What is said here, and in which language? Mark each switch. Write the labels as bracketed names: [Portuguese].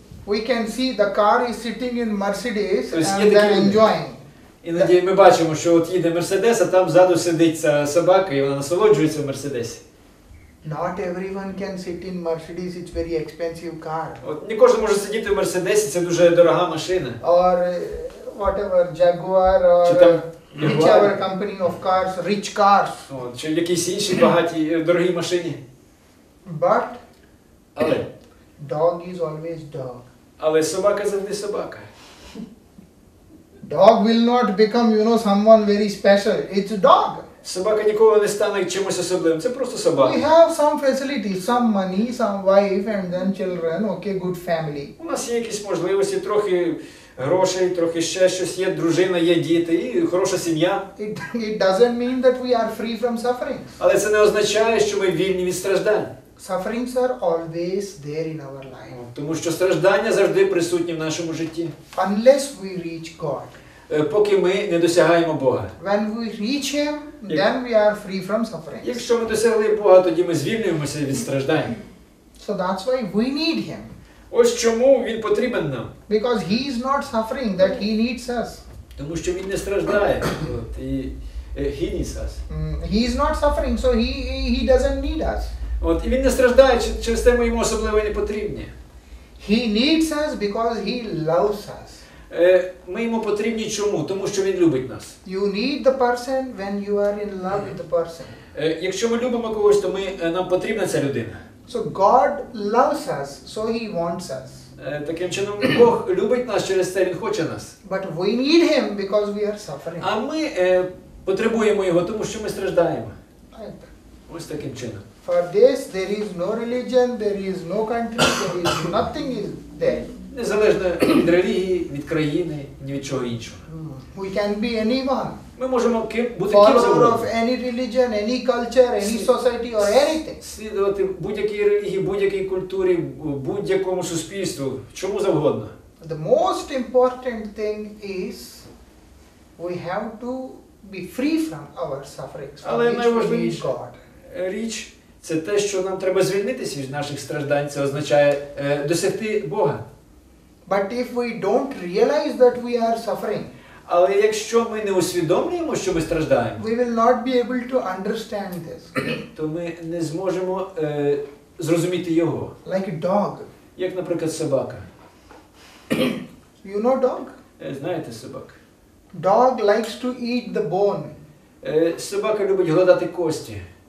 [English] We can see the car is sitting in Mercedes and then enjoying. [Ukrainian] Іноді ми бачимо, що от їде Mercedes, а там ззаду сидить ця собака, і вона насолоджується в Mercedes. [English] Not everyone can sit in Mercedes, it's very expensive car. [Ukrainian] От не кожен може сидіти в Mercedes, це дуже дорога машина. [English] Or whatever, Jaguar or whichever company of cars, rich cars. [Ukrainian] От, чи якісь інші багаті, дорогі машини. [English] But? [Ukrainian] Але? [English] Dog is always dog. [Ukrainian] Але собака завжди собака. [English] Dog will not become, you know, someone very special. It's a dog. [Ukrainian] Собака ніколи не стане чимось особливим. Це просто собака. [English] We have some facilities, some money, some wife and then children, okay, good family. [Ukrainian] У нас є якісь можливості, трохи грошей, трохи ще щось є, дружина, є діти і хороша сім'я. [English] It doesn't mean that we are free from suffering. [Ukrainian] Але це не означає, що ми вільні від страждань. [English] Sufferings are always there in our life. [Ukrainian] Тому що страждання завжди присутні в нашому житті. [English] Unless we reach God. [Ukrainian] Поки ми не досягаємо Бога. [English] When we reach Him, then we are free from suffering. [Ukrainian] Якщо ми досягли Бога, тоді ми звільнюємося від страждань. [English] So that's why we need Him. [Ukrainian] Ось чому Він потрібен нам. [English] Because He is not suffering, that He needs us. [Ukrainian] Тому що Він не страждає. [English] He needs us. He is not suffering, so He doesn't need us. [Ukrainian] От, і він не страждає, через те ми йому особливо не потрібні. [English] He needs us because he loves us. [Ukrainian] Ми йому потрібні чому? Тому що він любить нас. [English] You need the person when you are in love with the person. [Ukrainian] Якщо ми любимо когось, то нам потрібна ця людина. [English] So God loves us, so he wants us. [Ukrainian] Таким чином, Бог любить нас, через те він хоче нас. [English] But we need him because we are suffering. [Ukrainian] А ми потребуємо його, тому що ми страждаємо. Ось таким чином. [English] For this, there is no religion, there is no country, there is nothing is there. [Ukrainian] Незалежно від релігії, від країни, ні від чого іншого. [English] We can be anyone. [Ukrainian] Ми можемо бути ким завгодно. [English] Follower of any religion, any culture, any society or anything. [Ukrainian] Слідувати будь-якій релігії, будь-якій культурі, будь-якому суспільству, чому завгодно. [English] The most important thing is we have to be free from our sufferings. [Ukrainian] Але найважливіша річ. Це те, що нам треба звільнитися від наших страждань, це означає досягти Бога. [English] But if we don't realize that we are suffering, [Ukrainian] але якщо ми не усвідомлюємо, що ми страждаємо, [English] we will not be able to understand this. [Ukrainian] То ми не зможемо зрозуміти його. [English] Like a dog. [Ukrainian] Як, наприклад, собака. [English] You know dog? [Ukrainian] Знаєте собак? [English] Dog likes to eat the bone. [Ukrainian] Собака любить гладати кості.